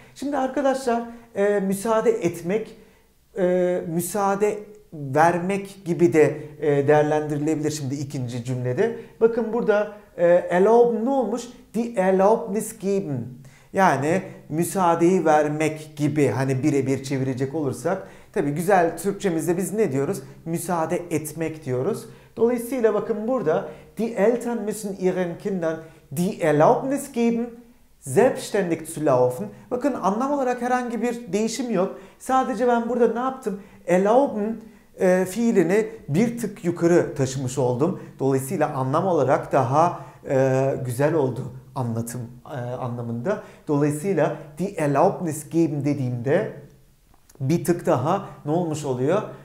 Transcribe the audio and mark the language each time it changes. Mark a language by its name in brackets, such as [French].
[Turkish] Şimdi arkadaşlar müsaade etmek, müsaade vermek gibi de değerlendirilebilir şimdi ikinci cümlede. Bakın burada erlauben ne olmuş? [German] Die Erlaubnis geben. [Turkish] Yani müsaadeyi vermek gibi hani birebir çevirecek olursak. Tabii güzel Türkçemizde biz ne diyoruz? Müsaade etmek diyoruz. Dolayısıyla bakın burada [German] die Eltern müssen ihren Kindern die Erlaubnis geben, selbstständig zu laufen. [Turkish] Bakın anlam olarak herhangi bir değişim yok. Sadece ben burada ne yaptım? Erlauben fiilini bir tık yukarı taşımış oldum. Dolayısıyla anlam olarak daha güzel oldu anlatım anlamında. Dolayısıyla [German] die Erlaubnis geben [Turkish] dediğimde bir tık daha ne olmuş oluyor?